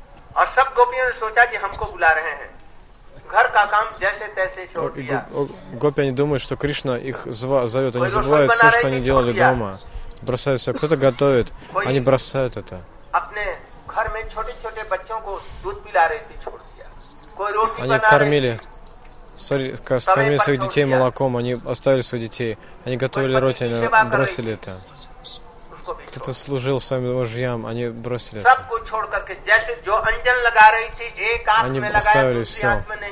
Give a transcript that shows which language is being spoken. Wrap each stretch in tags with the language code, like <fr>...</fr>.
<hi>और सब गोपियों ने सोचा कि हमको बुला रहे हैं घर का काम जैसे तैसे छोड़ दिया.</hi> <ru>Гопи они думают, что Кришна их зовет, они забывают все, что они делали дома, бросают все. Кто-то готовит, они бросают это.</ru> <hi>अपने घर में छोटे-छोटे बच्चों को दूध पिला रहे थे, छोड़ दिया. कोई रोटी बना रहे थे.</hi> <ru>Они кормили, кормили своих детей молоком, они оставили своих детей, они готовили роти, они бросили это. Кто-то служил своим мужьям, они бросили это. Они оставили все.</ru>